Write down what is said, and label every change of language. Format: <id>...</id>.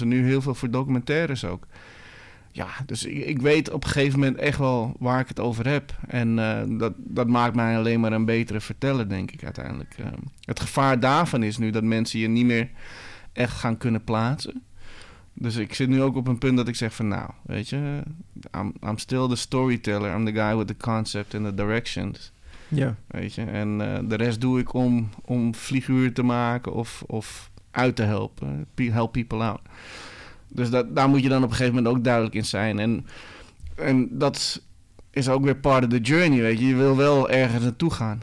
<nl>En nu heel veel voor documentaires ook. Ja, dus ik weet op een gegeven moment echt wel waar ik het over heb. En dat maakt mij alleen maar een betere verteller, denk ik uiteindelijk. Het gevaar daarvan is nu dat mensen je niet meer echt gaan kunnen plaatsen. Dus ik zit nu ook op een punt dat ik zeg van, nou, weet je,</nl> <en>I'm still the storyteller. I'm the guy with the concept and the directions.</en> <nl>Ja. Weet je, en de rest doe ik om figuur te maken of uit te helpen.</nl> <en>Help people out.</en> <nl>Dus daar moet je dan op een gegeven moment ook duidelijk in zijn. En dat is ook weer</nl> <en>part of the journey,</en> <nl>weet je. Je wil wel ergens naartoe gaan.</nl>